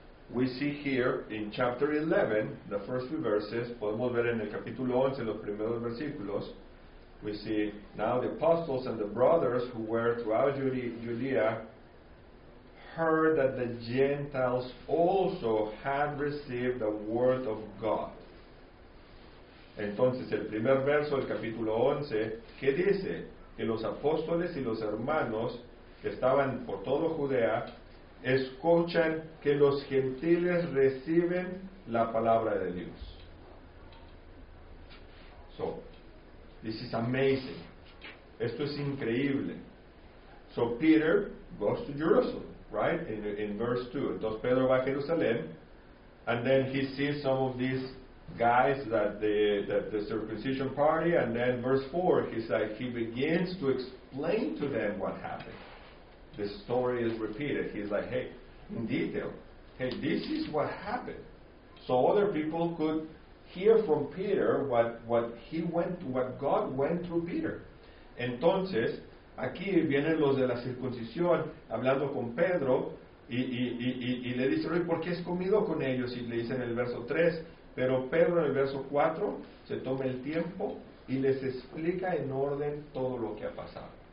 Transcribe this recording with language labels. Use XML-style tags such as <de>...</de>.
<en>We see here in chapter 11, the first few verses,</en> <es>podemos ver en el capítulo 11, los primeros versículos,</es> <en>we see now the apostles and the brothers who were throughout Judea heard that the Gentiles also had received the word of God.</en> <es>Entonces, el primer verso del capítulo 11, ¿qué dice? que los apóstoles y los hermanos que estaban por todo Judea escuchan que los gentiles reciben la palabra de Dios.</es> <en>So, this is amazing.</en> <es>Esto es increíble.</es> <en>So Peter goes to Jerusalem, right? In verse 2.</en> <es>Entonces Pedro va a Jerusalén,</es> <en>and then he sees some of these guys that the circumcision party, and then verse 4, he's like, he begins to explain to them what happened. The story is repeated. He's like, hey, in detail, hey, this is what happened. So other people could hear from Peter what God went through Peter.</en> <es>Entonces, aquí vienen los de la circuncisión hablando con Pedro y le dicen, oye, ¿por qué has comido con ellos? Y le dicen el verso 3, pero Pedro en el verso 4 se toma el tiempo y les explica en orden todo lo que ha pasado.</es>